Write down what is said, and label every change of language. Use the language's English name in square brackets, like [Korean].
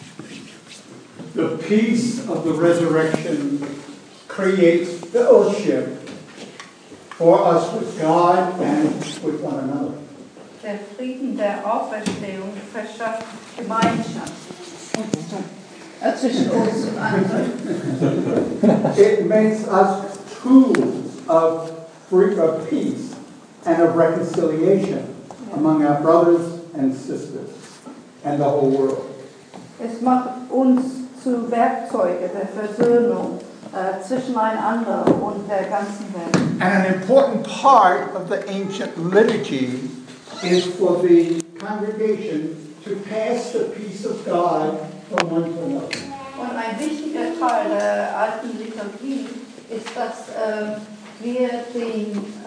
[English] Amen. The peace of the resurrection creates fellowship for us with God and with one another. [German] Der Frieden der Auferstehung verschafft Gemeinschaft zwischen uns und anderen. [English] It makes us tools of peace and of reconciliation among our brothers and sisters and the whole world. [German] Es macht uns zu Werkzeuge der Versöhnung zwischen einander und der ganzen Welt. [English] And an important part of the ancient liturgy is for the congregation to pass the peace of God from one to another. [German] Und ein wichtiger Teil der alten Liturgie ist, dass wir den